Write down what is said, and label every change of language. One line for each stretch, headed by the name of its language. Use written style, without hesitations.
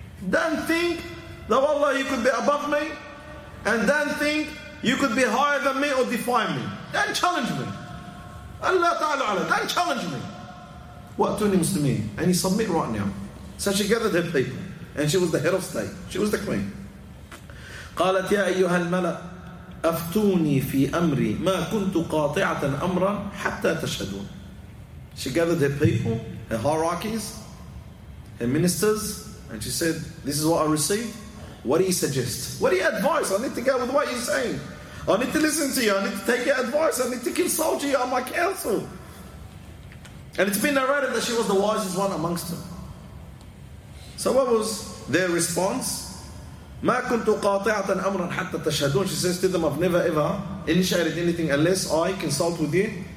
English: Don't think that Allah, you could be above me, and don't think you could be higher than me or defy me. Don't challenge me.
Arabic: Allah ta'alu alayya.
English: Don't challenge me.
Arabic: Wa atuni muslimin.
English: And he submit right now. So she gathered her people, and she was the head of state. She was the queen.
Arabic: قالت يا أيها الملأ أفتوني في أمري ما كنت قاطعة أمرا حتى تشهدون.
English: She gathered her people, her hierarchies, her ministers, and she said, this is what I received. What do you suggest? What do you advise? I need to go with what you're saying. I need to listen to you. I need to take your advice. I need to consult you on my counsel. And it's been narrated that she was the wisest one amongst them. So what was their response?
Arabic: ما كنت قاطعة أمرا حتى تشهدون.
English: She says to them, I've never ever initiated anything unless I consult with you.